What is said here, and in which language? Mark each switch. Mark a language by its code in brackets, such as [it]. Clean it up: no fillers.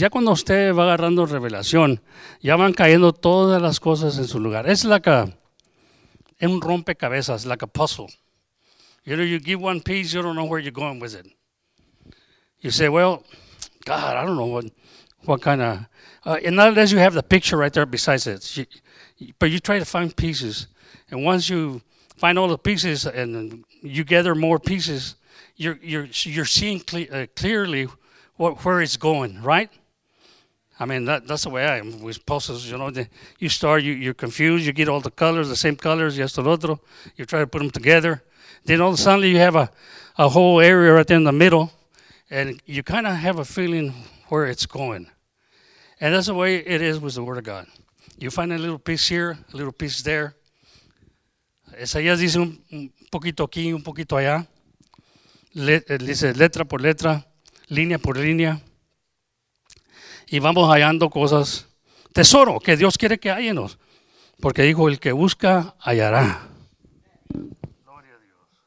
[es] Ya cuando usted va agarrando revelación, ya van cayendo todas las cosas en su lugar. Es [en] like [es] un rompecabezas, [en] like a puzzle. You know, you give one piece, you don't know where you're going with it. You say, well, God, I don't know what kind of... And not unless you have the picture right there besides it. But you try to find pieces. And once you find all the pieces and you gather more pieces, you're seeing clearly where it's going, right? I mean, that's the way I am with pulses. You know, you start, you're confused, you get all the colors, the same colors, yes, [es] el otro. [en] You try to put them together. Then all of a sudden you have a whole area right there in the middle, and you kind of have a feeling where it's going. And that's the way it is with the Word of God. You find a little piece here, a little piece there. [es] Esaías dice un poquito aquí, un poquito allá. Dice letra por letra, línea por línea. Y vamos hallando cosas. Tesoro que Dios quiere que hallemos. Porque dijo, el que busca, hallará. Gloria a Dios.